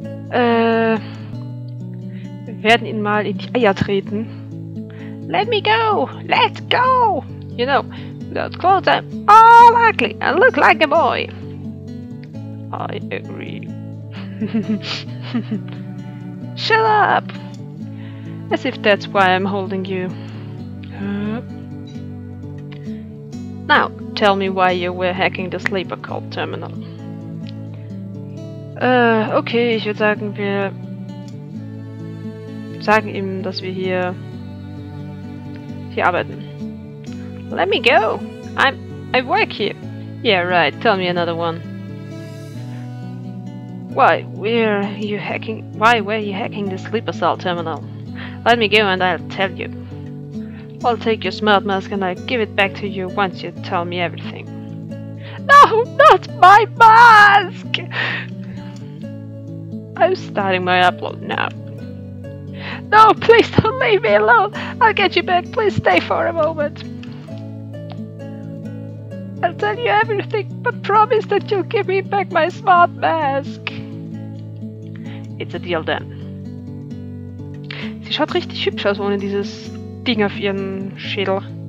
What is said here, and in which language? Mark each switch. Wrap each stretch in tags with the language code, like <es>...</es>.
<de>Wir werden ihn mal in die Eier treten.</de> <en>Let me go! Let's go! You know, without clothes I'm all ugly and look like a boy! I agree. Shut up! As if that's why I'm holding you. Now, tell me why you were hacking the sleeper cult terminal.</en> <de>Okay, ich würde sagen, wir sagen ihm, dass wir hier arbeiten.</de> <en>Let me go! I work here! Yeah, right, tell me another one. Why were you hacking the sleeper cell terminal? Let me go and I'll tell you. I'll take your smart mask and I'll give it back to you once you tell me everything. No, not my mask! I'm starting my upload now. No, please don't leave me alone! I'll get you back, please stay for a moment. I'll tell you everything, but promise that you'll give me back my smart mask. It's a deal then.</en> <de>Sie schaut richtig hübsch aus ohne dieses Ding auf ihren Schädel.</de>